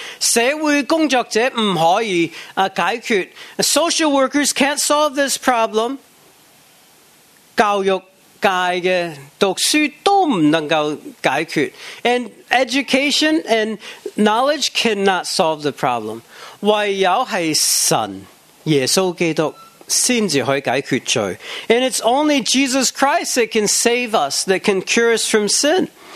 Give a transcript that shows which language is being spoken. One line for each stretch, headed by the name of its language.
Cantonese: 社会工作者唔可以解决 ，
English: Social workers can't solve this problem。
Cantonese: 教育界嘅读书都唔能够解决。
English: And education and knowledge cannot solve the problem.
Cantonese: 唯有系神耶稣基督先至可以解决罪。
English: And it's only Jesus Christ that can save us, that can cure us from sin.